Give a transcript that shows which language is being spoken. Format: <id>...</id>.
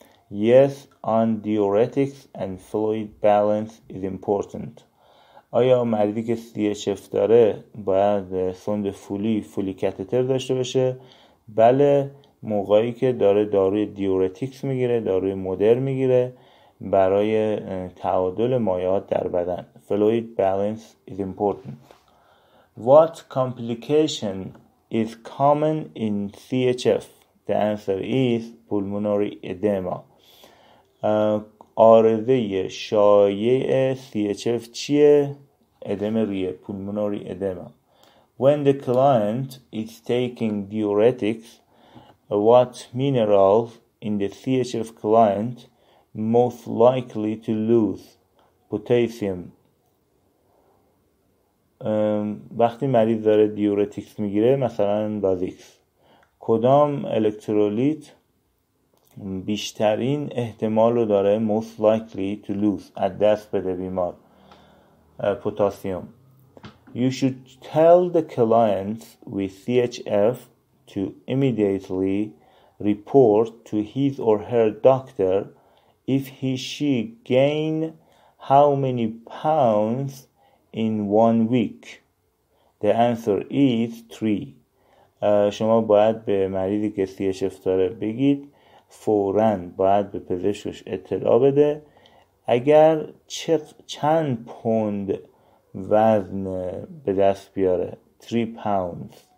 <en>Yes, on diuretics and fluid balance is important.</en> <fa>آیا مریضی که CHF داره باید سوند فولی کاتتر داشته باشه؟ بله، موقعی که داره داروی دیورتیکس میگیره، داروی مدر میگیره برای تعادل مایعات در بدن.</fa> <en>Fluid balance is important. What complication is common in CHF? The answer is pulmonary edema.</en> <fa>عارضه شایع CHF چیه؟ ادمه ریه، پولمونوری ادمه.</fa> <en>When the client is taking diuretics, what minerals in the CHF client most likely to lose? Potassium.</en> <fa>وقتی مریض داره دیورتیکس میگیره، مثلا بازیکس، کدام الکترولیت بیشترین احتمال رو داره</fa> <en>most likely to lose،</en> <fa>از دست بده بیمار؟ پوتاسیوم.</fa> <en>You should tell the clients with CHF to immediately report to his or her doctor if he/she gained how many pounds in one week. The answer is 3.</en> <fa>شما باید به مریضی که CHF داره بگید، فوراً باید به پزشکش اطلاع بده اگر چند پوند وزن به دست بیاره.</fa> <en>3 pounds.</en>